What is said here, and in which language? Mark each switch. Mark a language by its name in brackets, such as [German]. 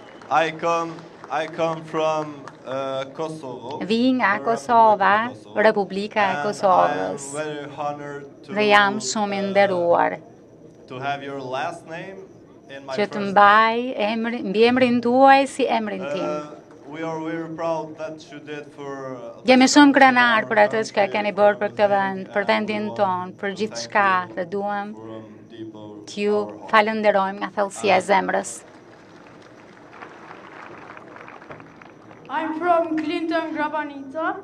[English] I come from Kosovo. [Albanian] Vi nga Kosova, Republika e Kosovës. Dhe jam shumë I nderuar. [English] To have your last name in my [Albanian] Që të mbaj mbiemrin tuaj si emrin tim. [English] We are very proud that you did for [Albanian] Jemi shumë krenar për atë çka keni bërë për këtë vend, për vendin ton, për gjithçka dhe duam t'ju falenderojmë nga thellësia e zemrës. [English] I'm from Clinton Grabanica.